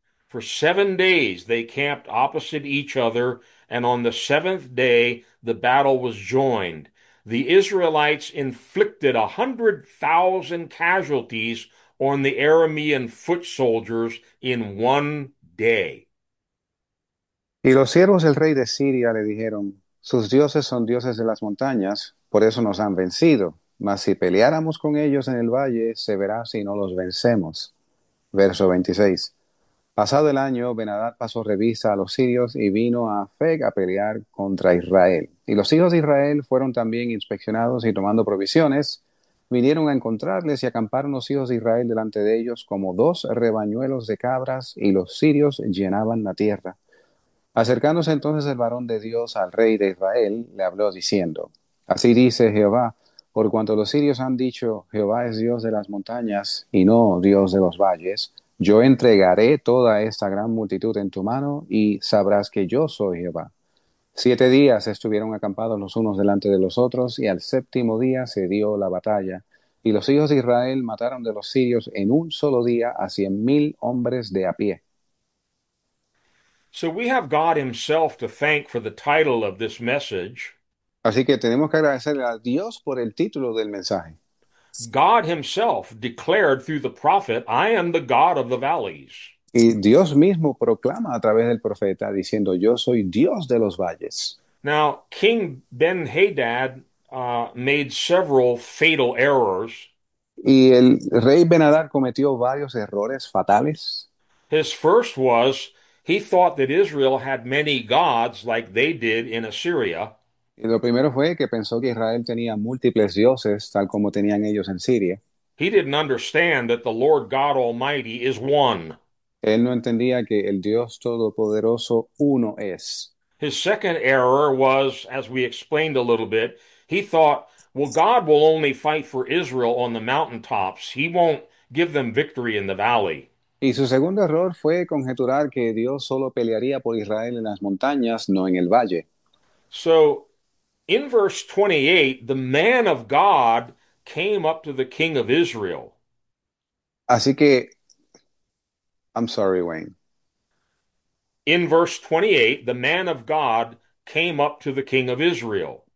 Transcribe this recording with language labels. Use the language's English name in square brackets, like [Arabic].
[English] For 7 days they camped opposite each other, and on the seventh day the battle was joined. The Israelites inflicted 100,000 casualties on the Aramean foot soldiers in one day. [Spanish] Y los siervos del rey de Siria le dijeron: sus dioses son dioses de las montañas, por eso nos han vencido. Mas si peleáramos con ellos en el valle, se verá si no los vencemos. Verso 26. Pasado el año, Ben-Hadad pasó revista a los sirios y vino a Afec a pelear contra Israel. Y los hijos de Israel fueron también inspeccionados y tomando provisiones, vinieron a encontrarles y acamparon los hijos de Israel delante de ellos como dos rebañuelos de cabras y los sirios llenaban la tierra. Acercándose entonces el varón de Dios al rey de Israel, le habló diciendo: así dice Jehová, por cuanto los sirios han dicho, Jehová es Dios de las montañas y no Dios de los valles, yo entregaré toda esta gran multitud en tu mano y sabrás que yo soy Jehová. 7 días estuvieron acampados los unos delante de los otros y al séptimo día se dio la batalla y los hijos de Israel mataron de los sirios en un solo día a 100.000 hombres de a pie. [English] So we have God Himself to thank for the title of this message. [Spanish] Así que tenemos que agradecerle a Dios por el título del mensaje. [English] God Himself declared through the prophet, "I am the God of the valleys." [Spanish] Y Dios mismo proclama a través del profeta diciendo: yo soy Dios de los valles. [English] Now, King Ben-Hadad made several fatal errors. [Spanish] Y el rey Ben-Hadad cometió varios errores fatales. [English] His first was, he thought that Israel had many gods like they did in Assyria. [Spanish] Y lo primero fue que pensó que Israel tenía múltiples dioses, tal como tenían ellos en Siria. [English] He didn't understand that the Lord God Almighty is one. [Spanish] Él no entendía que el Dios Todopoderoso uno es. [English] His second error was, as we explained a little bit, he thought, well, God will only fight for Israel on the mountaintops. He won't give them victory in the valley. [Spanish] Y su segundo error fue conjeturar que Dios solo pelearía por Israel en las montañas, no en el valle. [English] So, in verse 28, the man of God came up to the king of Israel. [Spanish] Así que, [English] I'm sorry, Wayne. In verse 28, the man of God came up to the king of Israel.